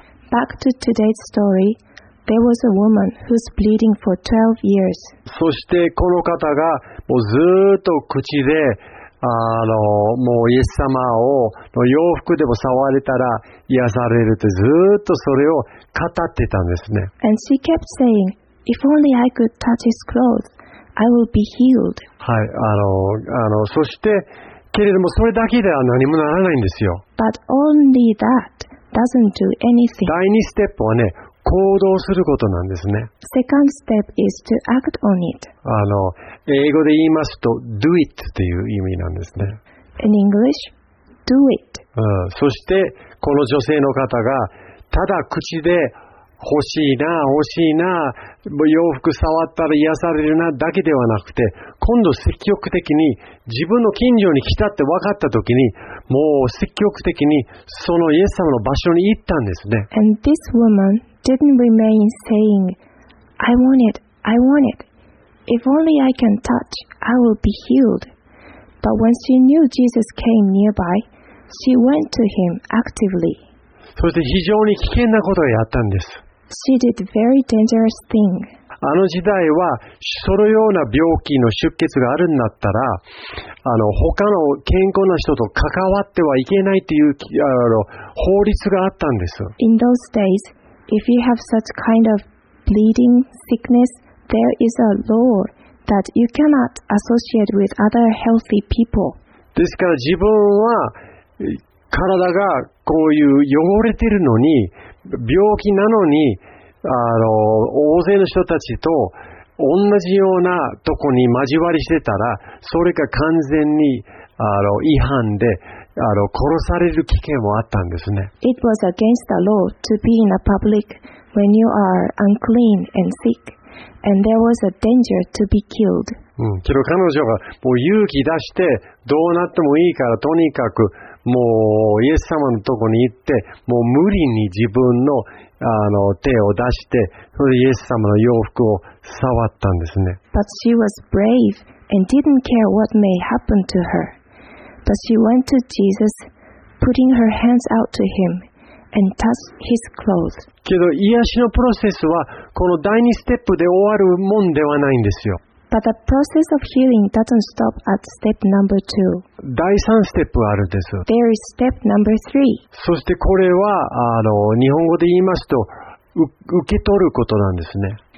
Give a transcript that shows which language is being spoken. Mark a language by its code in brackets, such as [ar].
[en] Back to today's story. There was a woman who's bleeding for 12 years. [ja] そしてこの方がもうずっと口でもうイエス様をの洋服でも触れたら癒されるってずっとそれを語ってたんですね。 [en] And she kept saying, "If only I could touch his clothes, I will be healed." [ja] はい、そしてけれどもそれだけでは何もならないんですよ。 [en] But only that doesn't do anything. [ja] 第二ステップはね。行動することなんですね。 [en] Second step is to act on it. [ja] 英語で言いますと、 [en] do it [ja] という意味なんですね。 [en] In English, do it.、 [ja] そして、この女性の方が、ただ口で欲しいな、洋服触ったら癒されるなだけではなくて、今度積極的に自分の近所に来たって分かった時に、もう積極的にそのイエス様の場所に行ったんですね。 [en] And this woman... didn't remain saying, I want it, I want it. If only I can touch, I will be healed. But when she knew Jesus came nearby, she went to him actively. [ja] そして非常に危険なことをやったんです。 [en] She did very dangerous thing. [ja] あの時代はそのような病気の出血があるんだったら、他の健康な人と関わってはいけないという法律があったんです。 [en] In those days,If you have such kind of bleeding sickness, there is a law that you cannot associate with other healthy people. [ja] ですから自分は体がこういう汚れてるのに、病気なのに、大勢の人たちと同じようなとこに交わりしてたら、それが完全に違反で、殺される危険もあったんですね。 [en] It was against the law to be in a public when you are unclean and sick, and there was a danger to be killed. [ja] けど彼女がもう勇気出して、どうなってもいいから、とにかくもうイエス様のとこに行って、もう無理に自分の手を出して、それでイエス様の洋服を触ったんですね。 [en] But she was brave and didn't care what may happen to her. But she went to Jesus, putting her hands out to him, and touched his clothes. [ja] けど癒しのプロセスはこの第二ステップで終わるもんではないんですよ。 [en] But the process of healing doesn't stop at step number two. [ja] 第三ステップあるんです。 [en] There is step number three. [ja] そしてこれは日本語で言いますと受け取ることなんですね。